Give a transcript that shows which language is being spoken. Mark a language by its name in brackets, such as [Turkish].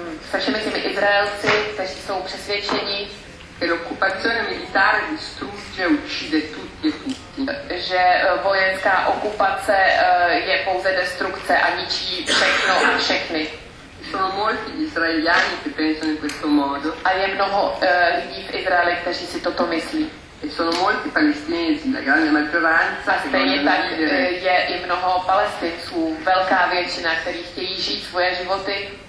[Czech] Se všemi těmi Izraelci, kteří jsou přesvědčeni, [Italian] che l'occupazione militare distrugge e uccide tutti e tutti. [Czech] Že vojenská okupace je pouze destrukce a ničí všechno a všechny. [Italian] Sono molti gli israeliani che pensano in questo modo. [Czech] A je mnoho lidí v Izraeli, kteří si toto myslí. [Italian] E sono molti palestinesi, la grande maggioranza, che vogliono vivere. [Czech] A stejně tak je i mnoho palestinců, velká většina, kteří chtějí žít svoje životy.